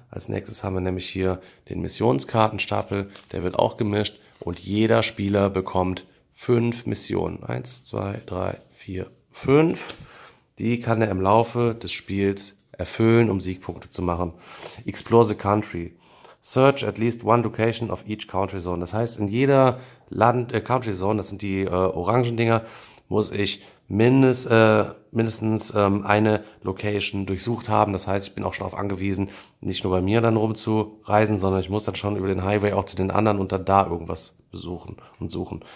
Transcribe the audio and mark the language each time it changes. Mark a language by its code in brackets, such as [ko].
[de] Als nächstes haben wir nämlich hier den Missionskartenstapel. Der wird auch gemischt und jeder Spieler bekommt fünf Missionen. Eins, zwei, drei, vier, fünf. Die kann er im Laufe des Spiels erfüllen, um Siegpunkte zu machen. [en] Explore the country. Search at least one location of each country zone. [de] Das heißt, in jeder Country Zone, das sind die orangen Dinger, muss ich mindestens eine Location durchsucht haben. Das heißt, ich bin auch schon darauf angewiesen, nicht nur bei mir dann rumzureisen, sondern ich muss dann schon über den Highway auch zu den anderen und dann da irgendwas besuchen und suchen.